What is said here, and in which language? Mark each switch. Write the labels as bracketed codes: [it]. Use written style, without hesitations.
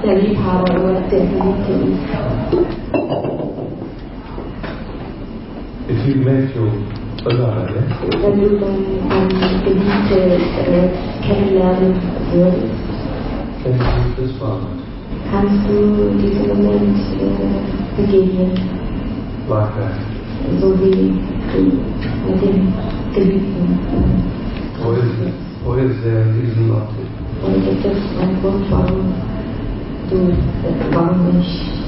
[en] If you met your beloved, can you meet this one? [de] Kannst du diesen Moment begegnen? [en] Like that. [de] So wie mit dem Geliebten. [en] Or is there a reason not to? [de] Oder gibt es einen Grund, warum nicht?